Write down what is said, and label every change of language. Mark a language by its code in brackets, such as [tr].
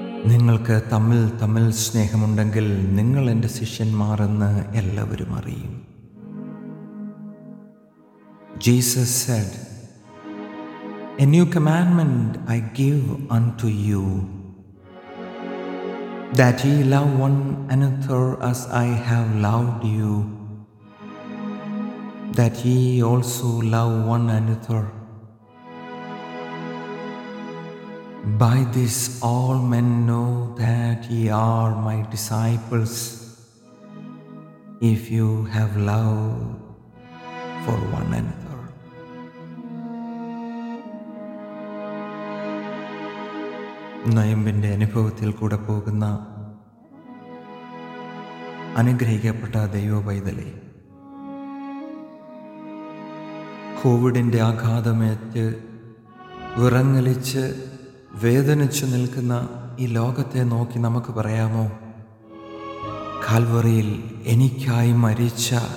[ml] നിങ്ങൾക്ക് തമ്മിൽ സ്നേഹമുണ്ടെങ്കിൽ നിങ്ങൾ എൻ്റെ ശിഷ്യന്മാരെന്ന് എല്ലാവരും അറിയും. [en] Jesus said, a new commandment I give unto you, that ye love one another as I have loved you, that ye also love one another. By this all men know that ye are my disciples, if you have love for one another. [ml] നൊയമ്പിൻ്റെ അനുഭവത്തിൽ കൂടെ പോകുന്ന അനുഗ്രഹിക്കപ്പെട്ട ദൈവപൈതലി, കോവിഡിൻ്റെ ആഘാതമേറ്റ് വിറങ്ങലിച്ച് വേദനിച്ചു നിൽക്കുന്ന ഈ ലോകത്തെ നോക്കി നമുക്ക് പറയാമോ, കാൽവറിയിൽ എനിക്കായി മരിച്ച